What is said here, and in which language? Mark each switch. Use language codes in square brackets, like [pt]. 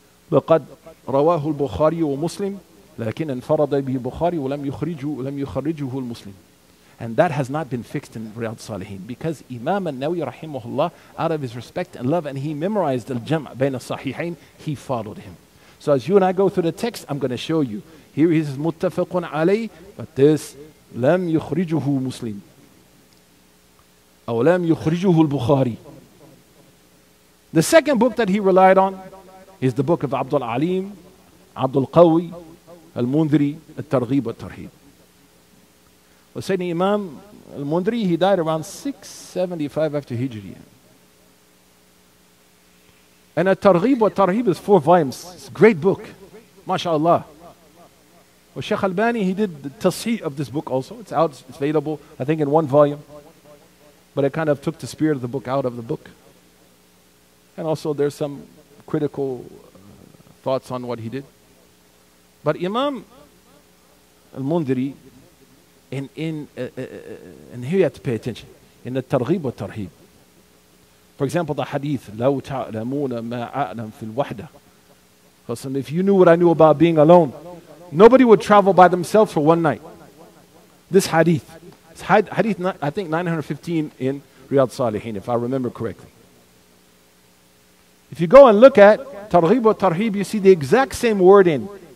[ar] لَقَدْ رَوَاهُ الْبُخَارِيُ وَمُسْلِمِ لَكِنَ انْفَرَضَ بِهِ بُخَارِيُ وَلَمْ يُخْرِجُهُ الْمُسْلِمِ. [en] And that has not been fixed in Riyadh Salihin, because Imam al-Nawi رحمه الله, out of his respect and love, and he memorized الجمع بين الصحيحين, he followed him. So as you and I go through the text, I'm going to show you. Here he says, [ar] مُتَّفَقٌ عَلَيْهِ, [en] but this, [ar] لم يخرجه مسلم أو لم يخرجه البخاري. [en] The second book that he relied on is the book of عبد العليم عبد القوي المنذري الترغيب والترهيب. Well, Sayyidina Imam al-Mundri, he died around 675 after Hijri. And الترغيب والترهيب is four volumes. It's a great book. MashaAllah. Well, Sheikh Albani, he did the tasheeh of this book also. It's out, it's available, I think, in one volume. But it kind of took the spirit of the book out of the book. And also there's some critical thoughts on what he did. But Imam Al-Mundiri, and here you have to pay attention, in the targhib wa tarheeb. For example, the hadith, [ar] لَوْ تَعْلَمُونَ مَا أَعْلَمْ فِي الْوَحْدَةِ. [en] Listen, if you knew what I knew about being alone, nobody would travel by themselves for one night. This hadith, it's hadith, I think 915 in Riyadh Salihin, if I remember correctly. If you go and look at targhib wa tarheeb, you see the exact same word in.